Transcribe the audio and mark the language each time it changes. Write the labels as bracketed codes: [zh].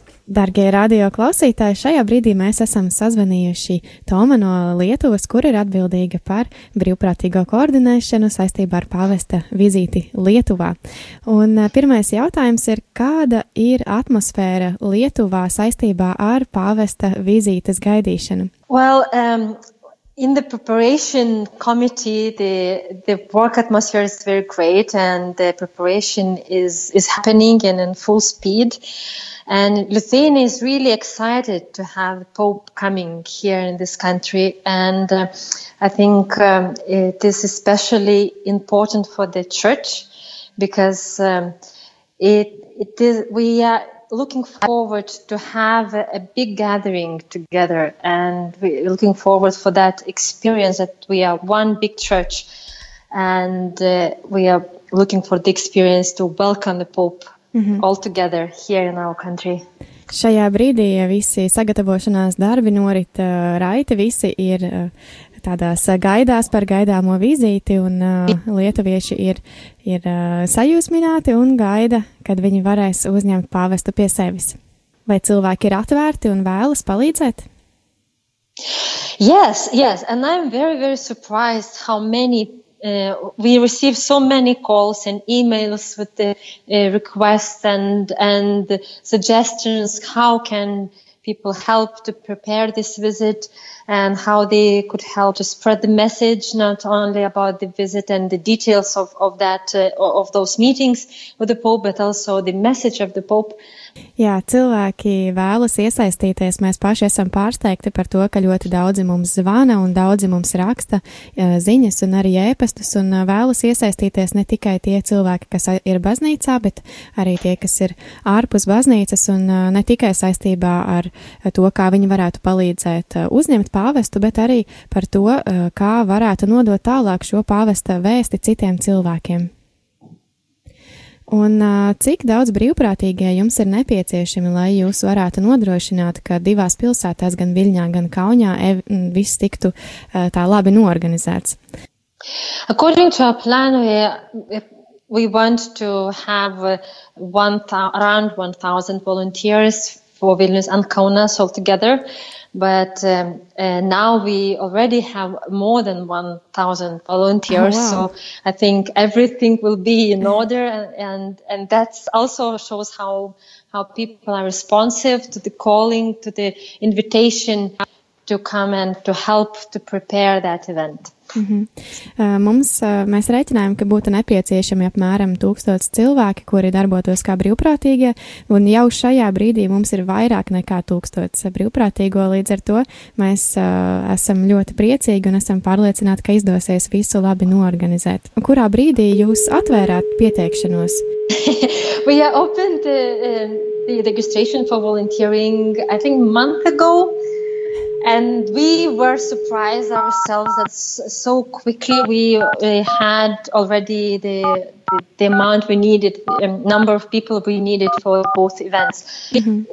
[lv] Dargie radio klausītāji, šajā brīdī mēs esam sazvanījuši Toma no Lietuvas, kur ir atbildīga par brīvprātīgo koordinēšanu saistībā ar pavesta vizīti Lietuvā. Un pirmais jautājums ir, kāda ir atmosfēra Lietuvā saistībā ar pavesta vizītes gaidīšanu? [en] Well, in the preparation committee, the work atmosphere is very great and the preparation is happening and in full speed. And Lithuania is really excited to have Pope coming here in this country. And I think it is especially important for the church because we are looking forward to have a big gathering together. And we're looking forward for that experience that we are one big church. And we are looking for the experience to welcome the Pope. Mm-hmm. All together here in our country. [lv] Šajā brīdī visi sagatavošanās darbi norit raiti, visi ir tādās gaidās par gaidāmo vizīti un lietuvieši ir sajūsmināti un gaida, kad viņi varēs uzņemt pāvestu pie sevis. Vai cilvēki ir atvērti un vēlas palīdzēt? [en] Yes, yes, and I'm very, very surprised how many we receive so many calls and emails with the requests and suggestions how can people help to prepare this visit and how they could help to spread the message not only about the visit and the details of that of those meetings with the Pope but also the message of the Pope. [lv] Jā, cilvēki vēlas iesaistīties, mēs paši esam pārsteigti par to, ka ļoti daudzi mums zvana un daudzi mums raksta ziņas un arī ēpastus un vēlas iesaistīties ne tikai tie cilvēki, kas ir baznīcā, bet arī tie, kas ir ārpus baznīcas un ne tikai saistībā ar to, kā viņi varētu palīdzēt uzņemt pāvestu, bet arī par to, kā varētu nodot tālāk šo pāvesta vēsti citiem cilvēkiem. Un cik daudz brīvprātīgie jums ir nepieciešami, lai jūs varētu nodrošināt, ka divās pilsētās, gan Viļņā, gan Kaunjā, viss tiktu tā labi noorganizēts? [en] According to our plan, we want to have around 1,000 volunteers for Vilnius and Kaunas altogether, but now we already have more than 1,000 volunteers. Oh, wow. So I think everything will be in order, and that also shows how people are responsive to the calling, to the invitation to come and to help to prepare that event. [lv] Mēs rēķinājām, ka būtu nepieciešami apmēram 1000 cilvēki, kuri darbotos kā brīvprātīgie, un jau šajā brīdī mums ir vairāk nekā 1000 brīvprātīgo, līdz ar to mēs esam ļoti priecīgi un esam pārliecināti, ka izdosies visu labi noorganizēt. Kurā brīdī jūs atvērāt pieteikšanos? [en] We are open the registration for volunteering, I think, month ago. And we were surprised ourselves that so quickly we had already the amount we needed, number of people we needed for both events. Mm-hmm.